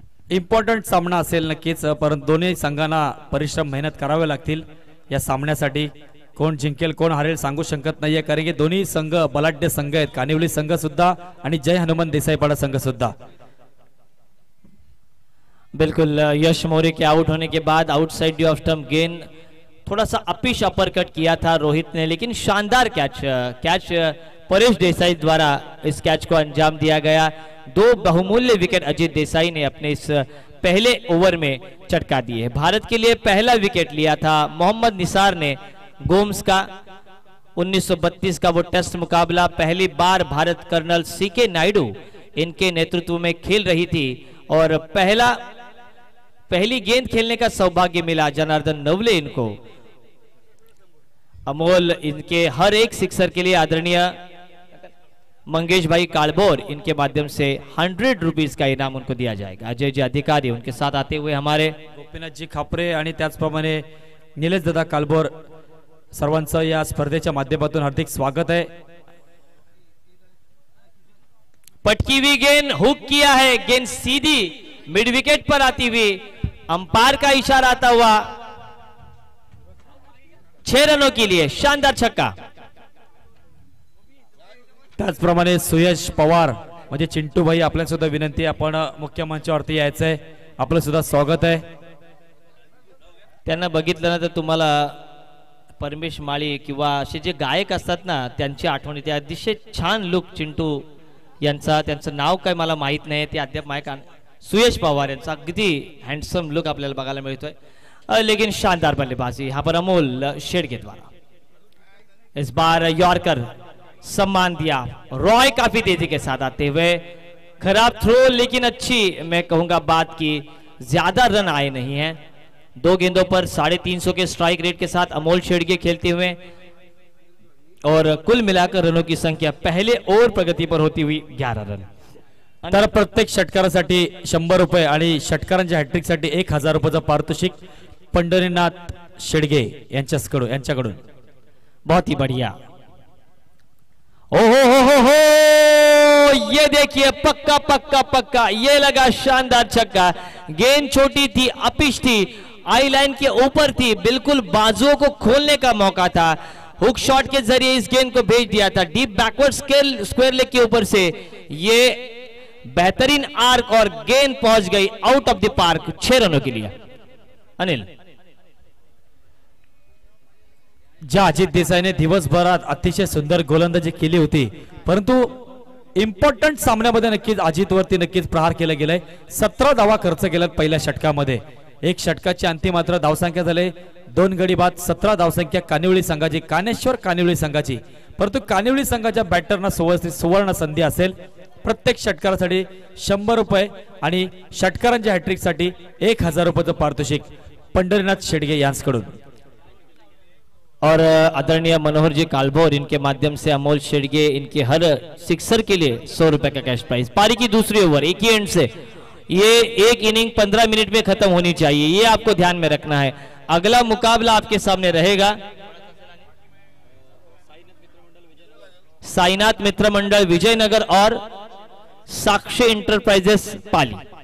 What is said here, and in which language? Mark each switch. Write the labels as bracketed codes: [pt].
[mr] Important सामना असेल नक्कीच, परंतु दोन्ही संघांना परिश्रम मेहनत करावे लागतील या सामन्यासाठी. कोण जिंकेल कोण हारेल सांगू शकत नाहीये, कारण की दोन्ही संघ बलाढ्य संघ आहेत. कानिवली संघ सुद्धा आणि जय हनुमान देसाई पाडा संघ सुद्धा. [hi] बिल्कुल, यश मोरे के आउट होने के बाद आउटसाइड डी ऑफ स्टंप गेंद, थोड़ा सा अपिश अपरकट किया था रोहित ने, लेकिन शानदार कैच परेश देसाई द्वारा इस कैच को अंजाम दिया गया. दो बहुमूल्य विकेट अजीत देसाई ने अपने इस पहले ओवर में चटका दिए. भारत के लिए पहला विकेट लिया था मोहम्मद निसार ने गोम्स का. 1932 का वो टेस्ट मुकाबला पहली बार भारत कर्नल सी के नायडू इनके नेतृत्व में खेल रही थी और पहली गेंद खेलने का सौभाग्य मिला जनार्दन नवले इनको. अमोल इनके हर एक सिक्सर के लिए आदरणीय मंगेश भाई कालबोर इनके माध्यम से 100 रुपीज का इनाम उनको दिया जाएगा. अजय जी अधिकारी उनके साथ आते हुए हमारे [mr] गोपीनाथ जी खापरे आणि त्याचप्रमाणे निलेश दादा कालबोर सर्वांचं या स्पर्धेच्या माध्यमातून हार्दिक स्वागत आहे. [hi] पटकी हुई गेंद, हुक किया है, गेंद सीधी मिड विकेट पर आती हुई, अंपायर का इशारा आता हुआ 6 रनों के लिए शानदार छक्का. [mr] त्याचप्रमाणे सुयश पवार म्हणजे चिंटू भाई आपल्याला सुद्धा विनंती, आपण मुख्य मंचावरती यायचंय, आपलं सुद्धा स्वागत आहे. त्यांना बघितलं ना तर तुम्हाला परमेश माळी किंवा असे जे गायक असतात ना त्यांची आठवण येते. अतिशय छान लुक चिंटू यांचा, त्यांचं नाव काय मला माहीत नाही, ते अद्याप माहीत सुयश पवार यांचा अगदी हँडसम लुक आपल्याला बघायला मिळतोय. [hi] लेकिन शानदार बल्लेबाजी हा पर अमोल शेडगे द्वारा. इस बार यॉर्कर सम्मान दिया, रॉय काफी तेजी के साथ आते हुए, खराब थ्रो लेकिन अच्छी मैं कहूंगा बात की ज्यादा रन आए नहीं है. दो गेंदों पर 350 के स्ट्राइक रेट के साथ अमोल शेडगे खेलते हुए और कुल मिलाकर रनों की संख्या पहले ओवर प्रगति पर होती हुई 11 रन. [mr] तर प्रत्येक षटकारासाठी 100 रुपये आणि षटकारांच्या हॅट्रिक साठी 1000 रुपयाचं पारितोषिक पंढरीनाथ शेडगे यांच्याकडून. [hi] बहुत ही बढिया. ओ हो हो हो हो, ये देखिए पक्का पक्का पक्का, ये लगा शानदार छक्का. गेंद छोटी थी, अपिच थी, आई लाइन के ऊपर थी, बिल्कुल बाजुओं को खोलने का मौका था. हुक शॉट के जरिए इस गेंद को भेज दिया था डीप बैकवर्ड स्क्वेयर लेग के ऊपर से. ये बेहतरीन आर्क और गेंद पहुंच गई आउट ऑफ द पार्क 6 रनों के लिए. अनिल [mr] ज्या अजित देसाईने दिवसभरात अतिशय सुंदर गोलंदाजी केली होती, परंतु इम्पॉर्टंट सामन्यामध्ये नक्कीच अजितवरती नक्कीच प्रहार केला गेलाय. 17 धावा खर्च केल्यात पहिल्या षटकामध्ये. एक षटकाची अंतिम मात्र धावसंख्या झाले 2 गडी बाद 17 धावसंख्या कानिवळी संघाची, कानेश्वर कानिवळी संघाची. परंतु कानिवळी संघाच्या बॅटरना सुवर्ण सुवर्ण संधी असेल. प्रत्येक षटकारासाठी 100 रुपये आणि षटकारांच्या हॅट्रिक साठी 1000 रुपयाचं पारितोषिक पंढरीनाथ शेडगे यांच्याकडून. [hi] और आदरणीय मनोहर जी कालभोर इनके माध्यम से अमोल शेडगे इनके हर सिक्सर के लिए 100 रुपए का कैश प्राइज. पारी की दूसरी ओवर एक ही एंड से, ये एक इनिंग 15 मिनट में खत्म होनी चाहिए, ये आपको ध्यान में रखना है. अगला मुकाबला आपके सामने रहेगा साईनाथ मित्र मंडल विजयनगर और साक्षी इंटरप्राइजेस पाली.